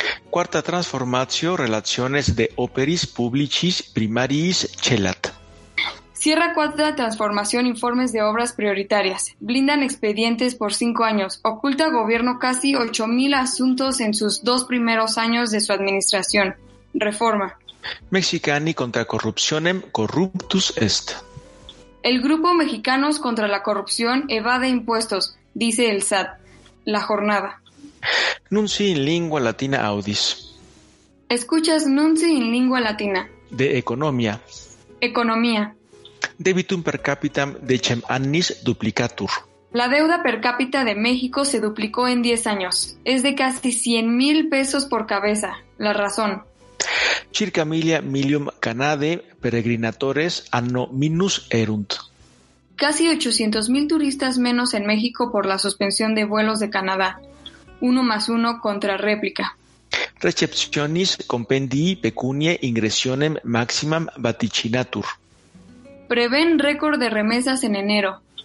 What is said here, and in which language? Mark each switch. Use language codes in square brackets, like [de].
[la] Cuarta transformatio relaciones de operis publicis primariis celat. [es] Cierra cuarta transformación informes de obras prioritarias. Blindan expedientes por 5 años. Oculta gobierno casi 8,000 asuntos en sus 2 primeros años de su administración. Reforma. [la] Mexicani contra corruptionem corruptus est. [es] El grupo Mexicanos contra la corrupción evade impuestos, dice el SAT. La Jornada. [la] Nunci in lingua latina audis. [es] Escuchas Nunci in lingua latina. [la] De economia. [es] Economía. [la] Debitum per capitam decem annis duplicatur. [es] La deuda per cápita de México se duplicó en 10 años. Es de casi 100,000 pesos por cabeza. La Razón. [la] Circa milia milium canade peregrinatores anno minus erunt. [es] Casi 800,000 turistas menos en México por la suspensión de vuelos de Canadá. 1+1 contra réplica. [la] Recepcionis compendii pecunie ingresionem maximam vaticinatur. [es] Prevén récord de remesas en enero.